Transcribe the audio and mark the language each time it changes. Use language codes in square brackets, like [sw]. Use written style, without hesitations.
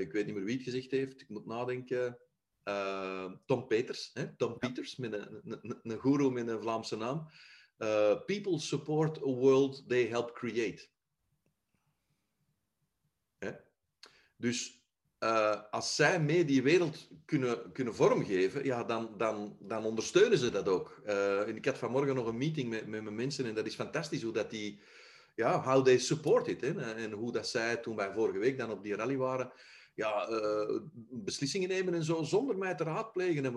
[nl] Ik weet niet meer wie het gezegd heeft. Ik moet nadenken. Tom Peters. Hè? Tom Peters, met een guru met een Vlaamse naam. [en] People support a world they help create. [nl] Hè? Dus als zij mee die wereld kunnen vormgeven, ja, dan ondersteunen ze dat ook. En ik had vanmorgen nog een meeting met mijn mensen en dat is fantastisch hoe dat die, ja, [en] how they support it. [nl] Hè? En hoe dat zij, toen wij vorige week dan op die rally waren, ja, beslissingen nemen en zo, zonder mij te raadplegen.